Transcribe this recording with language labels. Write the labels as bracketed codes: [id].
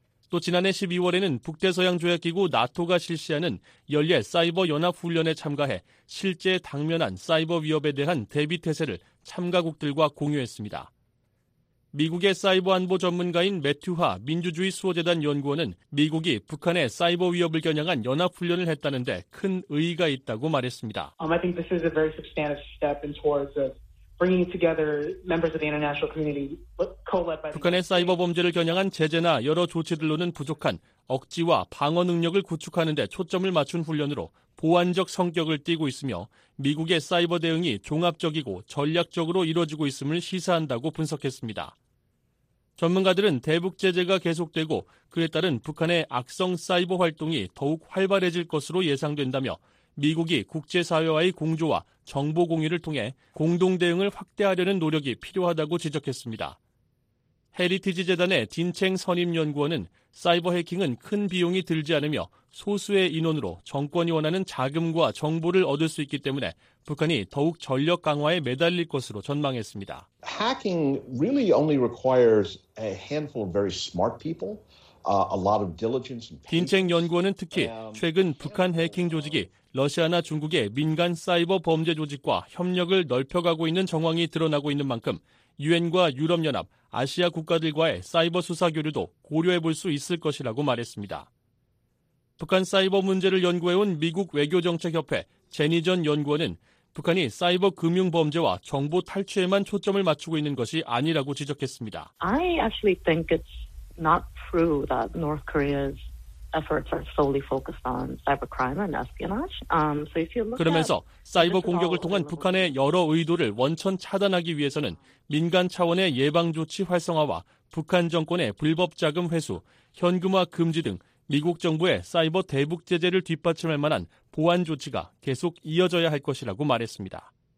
[ko] 또 지난해 12월에는 북대서양조약기구 나토가 실시하는 연례 사이버 연합훈련에 참가해 실제 당면한 사이버 위협에 대한 대비태세를 참가국들과 공유했습니다. 미국의 사이버 안보 전문가인 매튜하 민주주의 수호재단 연구원은 미국이 북한의 사이버 위협을 겨냥한 연합 훈련을 했다는 데 큰 의의가 있다고 말했습니다. [en] I think this is a very substantive step in towards bringing together members of the international community co-led by [ko] 북한의 사이버 범죄를 겨냥한 제재나 여러 조치들로는 부족한 억지와 방어 능력을 구축하는 데 초점을 맞춘 훈련으로 보완적 성격을 띠고 있으며 미국의 사이버 대응이 종합적이고 전략적으로 이루어지고 있음을 시사한다고 분석했습니다. 전문가들은 대북 제재가 계속되고 그에 따른 북한의 악성 사이버 활동이 더욱 활발해질 것으로 예상된다며 미국이 국제사회와의 공조와 정보 공유를 통해 공동 대응을 확대하려는 노력이 필요하다고 지적했습니다. 헤리티지 재단의 딘챙 선임 연구원은 사이버 해킹은 큰 비용이 들지 않으며 소수의 인원으로 정권이 원하는 자금과 정보를 얻을 수 있기 때문에 북한이 더욱 전력 강화에 매달릴 것으로 전망했습니다. [en] Hacking really only requires a handful of very smart people, a lot of diligence. [ko] 딘챙 연구원은 특히 최근 북한 해킹 조직이 러시아나 중국의 민간 사이버 범죄 조직과 협력을 넓혀가고 있는 정황이 드러나고 있는 만큼 유엔과 유럽연합, 아시아 국가들과의 사이버 수사 교류도 고려해 볼 수 있을 것이라고 말했습니다. 북한 사이버 문제를 연구해온 미국 외교정책협회 제니 전 연구원은 북한이 사이버 금융 범죄와 정보 탈취에만 초점을 맞추고 있는 것이 아니라고 지적했습니다. [en] I actually think it's not true that North Korea's efforts are solely focused on cybercrime and espionage. So if you look [ko] 그러면서 사이버 공격을 통한 북한의 여러 의도를 원천 차단하기 위해서는 민간 차원의 예방 조치 활성화와 북한 정권의 불법 자금 회수, 현금화 금지 등 미국 정부의 사이버 대북 제재를 뒷받침할 만한 보완 조치가 계속 이어져야 할 것이라고 말했습니다.